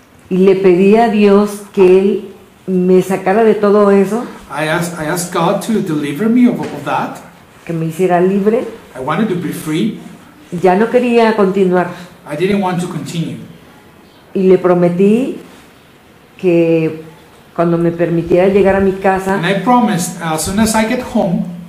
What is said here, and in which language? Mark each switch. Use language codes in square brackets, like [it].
[es] Y le pedí a Dios que él me sacara de todo eso. [en] I asked God to deliver me of all that. [es] Que me hiciera libre. [en] I wanted to be free. [es] Ya no quería continuar. [en] I didn't want to continue. [es] Y le prometí que cuando me permitiera llegar a mi casa, [en] and I promised as soon as I get home,